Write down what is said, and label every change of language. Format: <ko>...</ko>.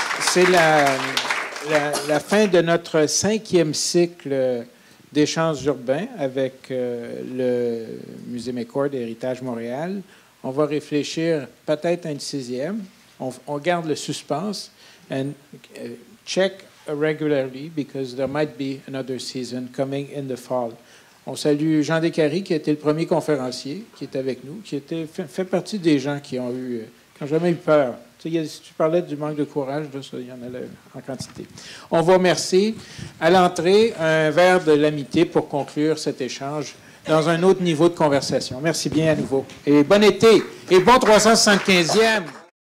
<fr>C'est la fin de notre cinquième cycle d'échanges urbains avec le Musée McCord et Héritage Montréal. On va réfléchir peut-être à une sixième. On garde le suspense.</fr> <en>And check regularly because there might be another season coming in the fall.</en> <fr>On salue Jean Descaries, qui a été le premier conférencier, qui est avec nous, qui fait partie des gens qui n'ont jamais eu peur. Si tu parlais du manque de courage, il y en a en quantité. On vous remercie. À l'entrée, un verre de l'amitié pour conclure cet échange dans un autre niveau de conversation. Merci bien à nouveau. Et bon été. Et bon 375e.</fr>